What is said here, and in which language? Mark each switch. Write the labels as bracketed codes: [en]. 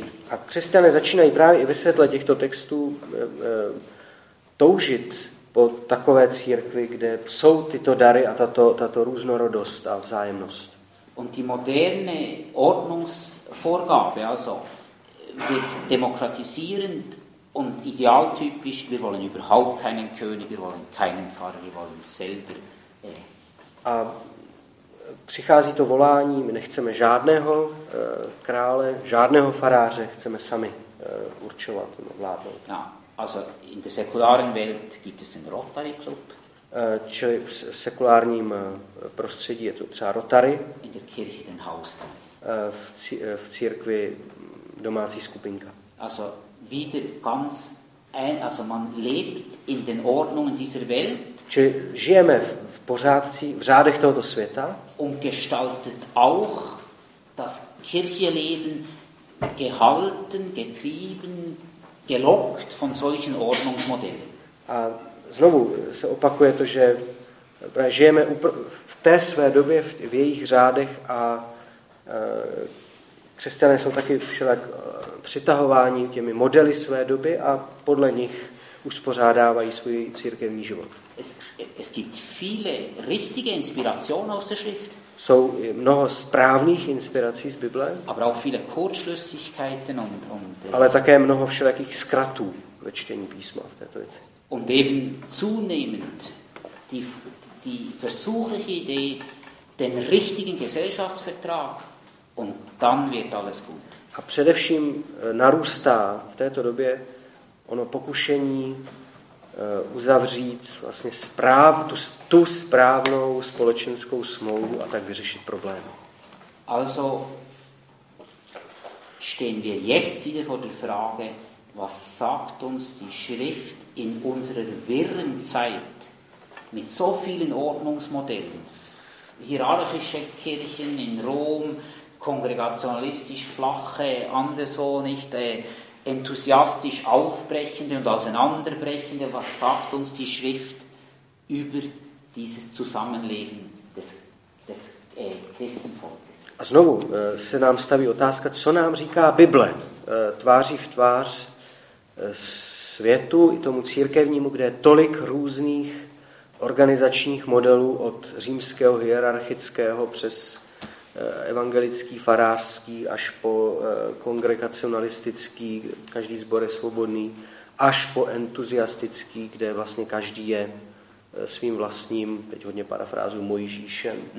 [cs] A křesťané začínají právě i ve světle těchto textů toužit po takové církvi, kde jsou tyto dary a tato různorodost a vzájemnost. [de] Und die moderne Ordnungsvorgabe also wird demokratisierend und idealtypisch, wir wollen überhaupt keinen König, wir wollen keinen Pfarrer, wir wollen selber. [cs] A přichází to volání, my nechceme žádného krále, žádného faráře, chceme sami určovat a vládnout. [de] Ja, also in der säkularen Welt gibt es den Rotary Club. [cs] Čili v sekulárním prostředí je to třeba Rotary. [de] In der Kirche den Hauskreis. [cs] V církvi domácí skupinka. [de] Also wieder ganz also man lebt in den Ordnungen dieser Welt. [cs] Čili žijeme v pořádcí, v řádech tohoto světa. [de] Und gestaltet auch das Kirchenleben gehalten, getrieben, gelockt von solchen Ordnungsmodellen. [cs] A znovu se opakuje to, že žijeme v té své době, v jejich řádech a křesťané jsou taky všelak přitahováni těmi modely své doby a podle nich uspořádávají svůj církevní život. [de] Es gibt viele richtige Inspirationen aus der Schrift. [cs] Jsou mnoho správných inspirací z Bible. [de] Aber auch viele Kurzschlüssigkeiten und [cs] ale také mnoho všelakých zkratů ve čtení písma v této věci. [de] Und eben zunehmend die versuchliche Idee den richtigen Gesellschaftsvertrag und dann wird alles gut. [cs] A především narůstá v této době ono pokušení uzavřít vlastně tu správnou společenskou smlouvu a tak vyřešit problém. [de] Also stehen wir jetzt wieder vor der Frage, was sagt uns die Schrift in unserer wirren Zeit mit so vielen Ordnungsmodellen, hierarchische Kirchen in Rom, kongregationalistisch flache, anderswo nicht enthusiastisch aufbrechende und auseinanderbrechende, was sagt uns die Schrift über dieses Zusammenleben des Christen Volkes? [cs] A znovu se nám staví otázka, co nám říká Bible tváří v tvář světu i tomu církevnímu, kde je tolik různých organizačních modelů od římského hierarchického přes evangelický, farářský, až po kongregacionalistický, každý sbor je svobodný, až po entuziastický, kde vlastně každý je svým vlastním, teď hodně parafrázu, Mojžíšem.